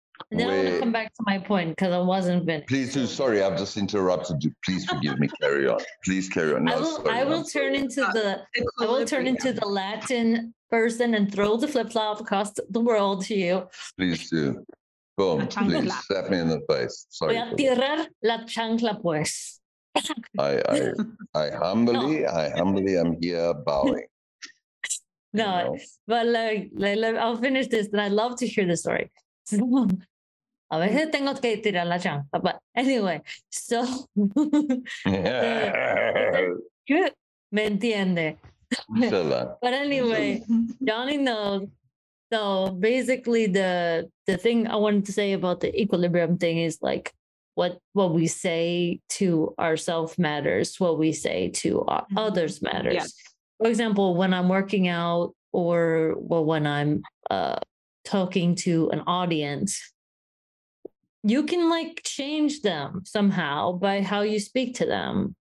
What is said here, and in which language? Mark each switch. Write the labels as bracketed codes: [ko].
[en] And then I want to come back to my point because I wasn't finished. Please do. Sorry, I've just interrupted you. Please forgive me. Carry on. Please carry on. I will turn into the Latin person and throw the flip-flop across the world to you. Please do. Boom. Please slap me in the face. Sorry. [es] Voy a tirar la chancla, pues. [en] I humbly am here bowing. No, you know? But like, I'll finish this, and I'd love to hear the story. [es] A veces tengo que tirar la chancla, [en] but anyway, so [es] me entiende. [en] But anyway, Johnny knows. So basically the thing I wanted to say about the equilibrium thing is like what we say to ourselves matters, what we say to others matters. Yes. For example, when I'm working out or when I'm talking to an audience, you can like change them somehow by how you speak to them.